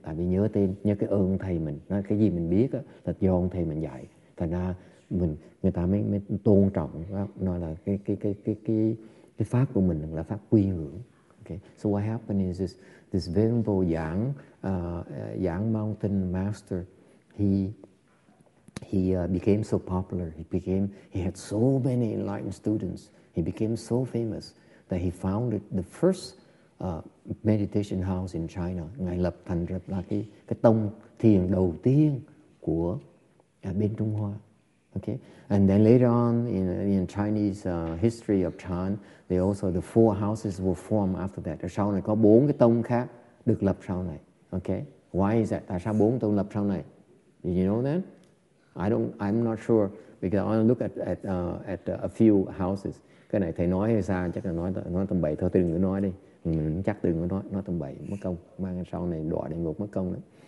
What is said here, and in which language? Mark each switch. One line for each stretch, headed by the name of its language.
Vietnamese: Tại vì nhớ tên, nhớ cái ơn thầy mình, cái gì mình biết đó, là do ông thầy mình dạy. Thành ra người ta mới tôn trọng nó là cái pháp của mình là pháp quy ngưỡng.
English: So what happened is this Venerable Yang, Yang Mountain Master, he became so popular. He had so many enlightened students. He became so famous that he founded the first meditation house in China.
Vietnamese: Ngài lập thành ra cái tông thiền đầu tiên của bên Trung Hoa.
English: Okay, and then later on in Chinese history of Chan, they also the four houses were formed after that.
Vietnamese: Sau này có bốn cái tông khác được lập sau này.
English: Okay, why is that?
Vietnamese: Tại sao bốn tông lập sau này?
English: Did you know that? I'm not sure because I only look at a few houses.
Vietnamese: Cái này thầy nói hay sao? Chắc là nói tầm bậy thôi. Tôi đừng có nói đi. Mình chắc đừng có nói tầm bậy mất công. Mang sau này đọa địa ngục mất công đấy.